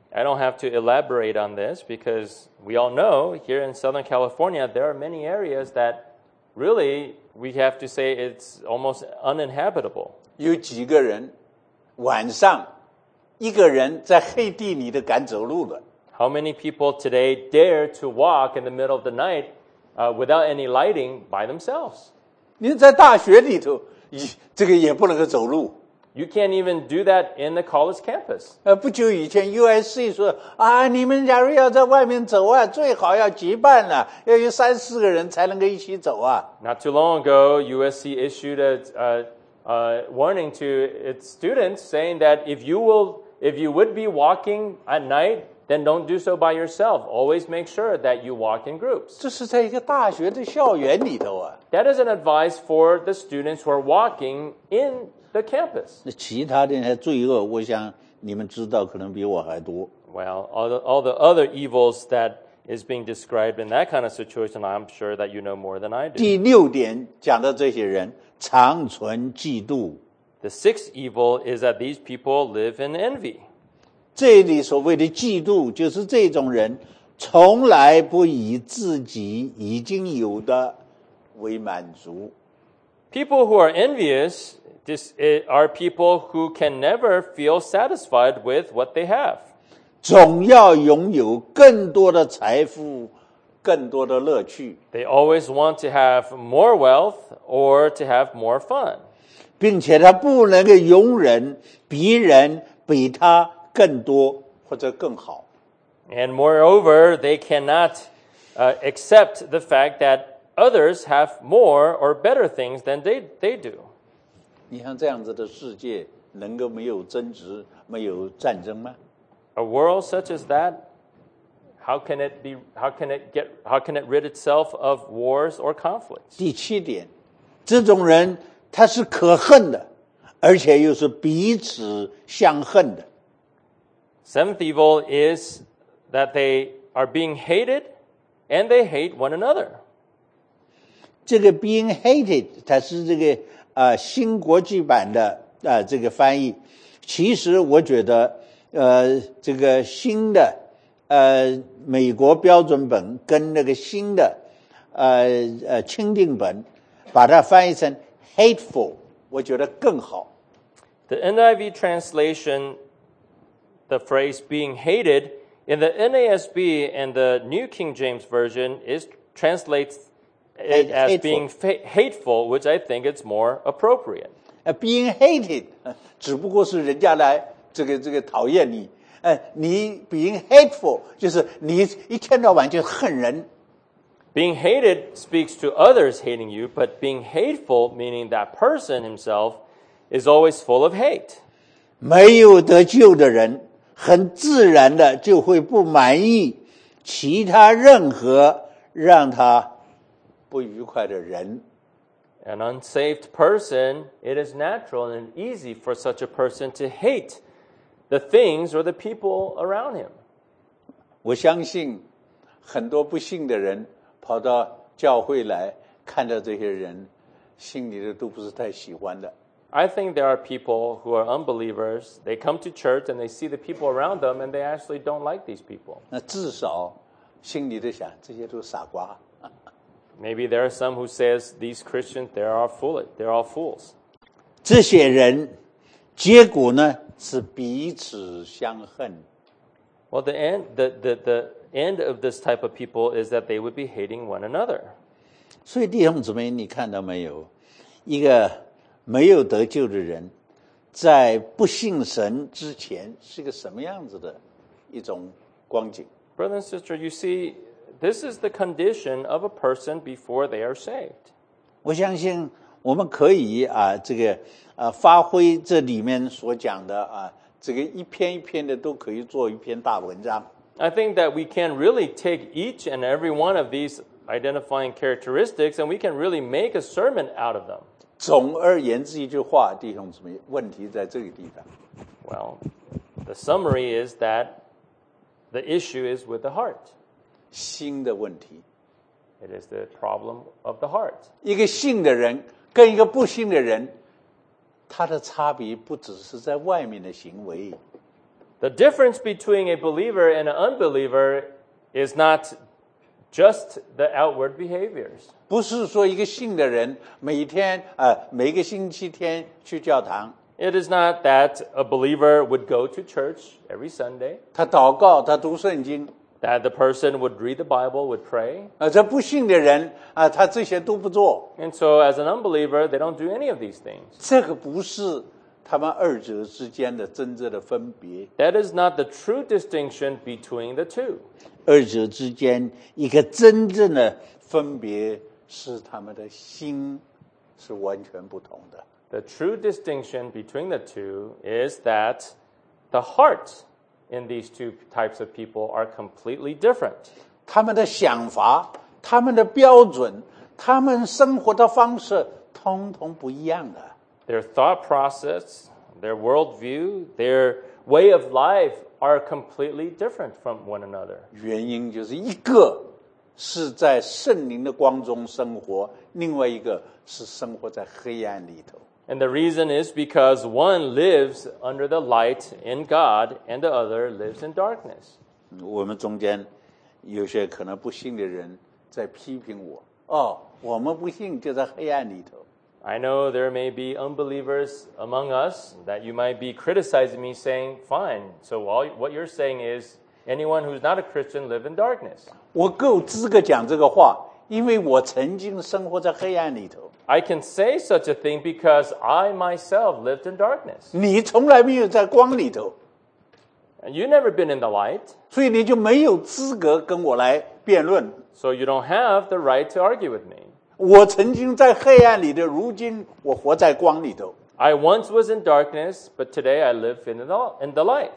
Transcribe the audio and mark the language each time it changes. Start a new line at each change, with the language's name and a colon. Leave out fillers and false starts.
English: I don't have to elaborate on this because we all know here in Southern California, there are many areas that really we have to say it's almost uninhabitable.
Chinese: 有几个人晚上一个人在黑地里的赶走路了。
English: How many people today dare to walk in the middle of the night, without any lighting by themselves?
Chinese: 你在大学里头，这个也不能够走路。
English: You can't even do that in the college campus.
Chinese: 不久以前 USC 说啊，你们假如要在外面走啊，最好要结伴了，要有三四个人才能够一起走啊。
English: Not too long ago, USC issued a warning to its students saying that if you would be walking at night, then don't do so by yourself. Always make sure that you walk in groups.
Chinese: 这是在一个大学的校园里头啊。
English: That is an advice for the students who are walking in. The campus.
Chinese: 那其他的那些罪恶，我想你们知道，可能比我还多。
English: Well, all the other evils that is being described in that kind of situation, I'm sure that you know more than I do.
Chinese: 第六点讲到这些人长存嫉妒。
English: The sixth evil is that these people live in envy.
Chinese: 这里所谓的嫉妒，就是这种人从来不以自己已经有的为满足。
English: People who are envious. This are people who can never feel satisfied with what they have.
Chinese: 总要拥有更多的财富，更多的乐趣。
English: They always want to have more wealth or to have more fun.
Chinese: 并且他不能够容忍别人比他更多或者更好。
English: And moreover, they cannot accept the fact that others have more or better things than they do.
Chinese: 你像这样子的世界，能够没有争执、没有战争吗
English: ？A world such as that, how can it rid itself of wars or conflicts?
Chinese: 第七点，这种人他是可恨的，而且又是彼此相恨的。
English: Seventh evil is that they are being hated, and they hate one another.
Chinese: 这个
English: being hated，
Chinese: 它是这个。新国际版的这个翻译，其实我觉得这个新的美国标准本跟那个新的钦定本，把它翻译成 hateful， 我觉得更好。
English: The NIV translation, the phrase being hated in the NASB and the New King James Version translates it as being hateful, which I think is more appropriate. Being hated,
Chinese: 只不过是人家来这个讨厌你。你
English: being hateful,
Chinese: 就是你一天到晚就恨人。
English: Being hated speaks to others hating you, but being hateful, meaning that person himself, is always full of hate.
Chinese: 没有得救的人，很自然的就会不满意其他任何让他不愉快的人。
English: An unsaved person, it is natural and easy for such a person to hate the things or the people around him.
Chinese: 我相信很多不信的人跑到教会来看到这些人心里的都不是太喜欢的。
English: I think there are people who are unbelievers. They come to church and they see the people around them and they actually don't like these people.
Chinese: 那至少心里的想这些都是傻瓜。
English: Maybe there are some who says these Christians, they're all fools.
Chinese: 这些人结果呢是彼此相恨。
English: Well, the end of this type of people is that they would be hating one another.
Chinese: 所以弟兄姊妹你看到没有一个没有得救的人在不信神之前是个什么样子的一种光景。
English: Brother and sister, you see, this is the condition of a person before they are saved.
Chinese: 我相信我们可以啊这个啊发挥这里面所讲的啊这个一篇一篇的都可以做一篇大文章。
English: I think that we can really take each and every one of these identifying characteristics and we can really make a sermon out of them.
Chinese: 总而言之一句话弟兄姊妹问题在这个地方。
English: Well, the summary is that the issue is with the heart.
Chinese: 心的问题。
English: It is the problem of the heart.
Chinese: 一个信的人跟一个不信的人他的差别不只是在外面的行为。
English: The difference between a believer and an unbeliever is not just the outward behaviors.
Chinese: 不是说一个信的人每天每个星期天去教堂。
English: It is not that a believer would go to church every Sunday.
Chinese: 他祷告他读圣经。
English: That the person would read the Bible, would pray.
Chinese: 这不信的人他这些都不做。
English: And so as an unbeliever, they don't do any of these things.
Chinese: 这个不是他们二者之间的真正的分别。
English: That is not the true distinction between the two.
Chinese: 二者之间一个真正的分别是他们的心是完全不同的。
English: The true distinction between the two is that the heart in these two types of people are completely different.
Chinese: 他们的想法、他们的标准、他们生活的方式通通不一样的。
English: Their thought process, their worldview, their way of life are completely different from one another.
Chinese: 原因就是一个是在圣灵的光中生活，另外一个是生活在黑暗里头。
English: And the reason is because one lives under the light in God and the other lives in darkness.
Chinese: 我们中间有些可能不信的人在批评我。我们不信就在黑暗里头。
English: I know there may be unbelievers among us that you might be criticizing me saying, fine, so all, what you're saying is anyone who's not a Christian live in darkness.
Chinese: 我够资格讲这个话，因为我曾经生活在黑暗里头。
English: I can say such a thing because I myself lived in darkness.
Chinese: 你从来没有在光里头。
English: You've never been in the light.
Chinese: 所以你就没有资格跟我来辩论。
English: So you don't have the right to argue with me.
Chinese: 我曾经在黑暗里的，如今我活在光里头。
English: I once was in darkness, but today I live in the light.